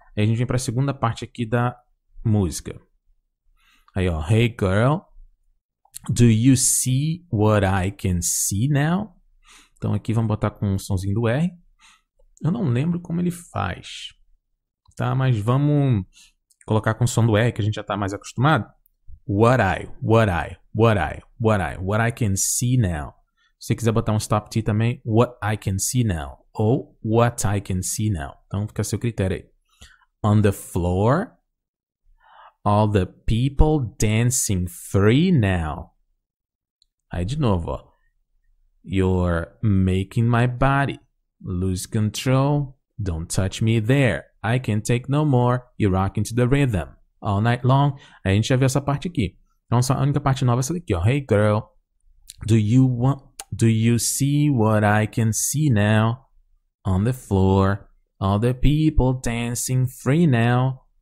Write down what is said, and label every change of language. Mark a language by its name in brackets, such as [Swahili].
[Portuguese] Aí a gente vem pra segunda parte aqui da música. [English] Aí, ó. Hey, girl. Do you see what I can see now? [Portuguese] Então aqui vamos botar com o somzinho do R. Eu não lembro como ele faz. Tá? Mas vamos colocar com o som do R que a gente já tá mais acostumado. [English] What I, what I, what I, what I, what I can see now. [Portuguese] Se você quiser botar um stop T também, [English] what I can see now. [Portuguese] Ou what I can see now. Então fica a seu critério aí. [English] On the floor, all the people dancing free now. [Portuguese] Aí de novo, ó. [English] You're making my body lose control. Don't touch me there. I can't take no more. You're rocking to the rhythm. All night long. [Portuguese] Aí a gente já viu essa parte aqui. Então, a única parte nova é essa daqui, ó. [English] Hey, girl. Do you see what I can see now? On the floor. All the people dancing free now.